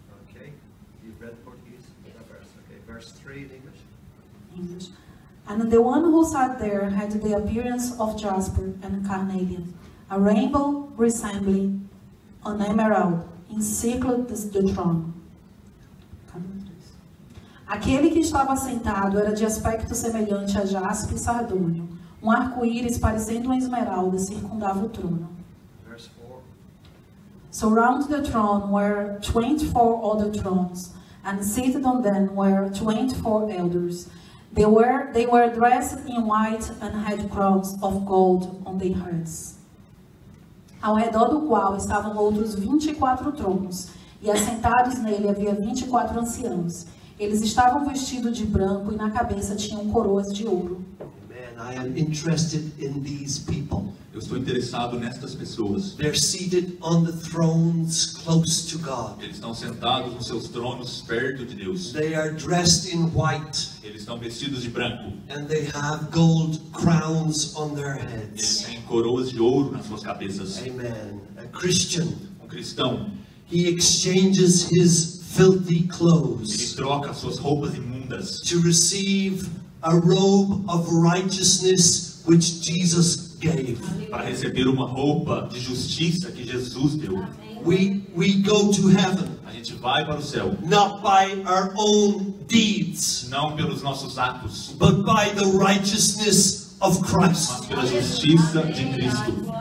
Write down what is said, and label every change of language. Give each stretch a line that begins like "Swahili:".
English: Okay, you read Portuguese? verse 3 in English. And the one who sat there had the appearance of jasper and carnelian, a rainbow resembling an emerald, encircled the throne.
Portuguese: Aquele que estava sentado era de aspecto semelhante a jaspe e sardônio. Um arco-íris parecendo uma esmeralda circundava o trono.
English: Verse 4. Surround the throne were 24 other thrones, and seated on them were 24 elders. They were dressed in white and had crowns of gold on their heads.
Portuguese: Ao redor do qual estavam outros 24 tronos, e assentados nele havia 24 anciãos. Eles estavam vestidos de branco e na cabeça tinham coroas de ouro.
English: Amen. I am interested in these people.
Portuguese: Eu estou interessado nestas pessoas.
English: They're seated on the thrones close to God.
Portuguese: Eles estão sentados nos seus tronos perto de Deus.
English: They are dressed in white.
Portuguese: Eles estão vestidos de branco.
English: And they have gold crowns on their heads.
Portuguese: Eles têm coroas de ouro nas suas cabeças.
English: Amen. A Christian.
Portuguese: Um cristão.
English: He exchanges his filthy clothes.
Portuguese: Ele troca suas roupas imundas.
English: To receive a robe of righteousness which Jesus gave.
Portuguese: Para receber uma roupa de justiça que Jesus deu.
English: We go to heaven.
Portuguese: A gente vai para o céu.
English: Not by our own deeds.
Portuguese: Não pelos nossos atos.
English: But by the righteousness of Christ.
Portuguese: Mas pela justiça de Cristo.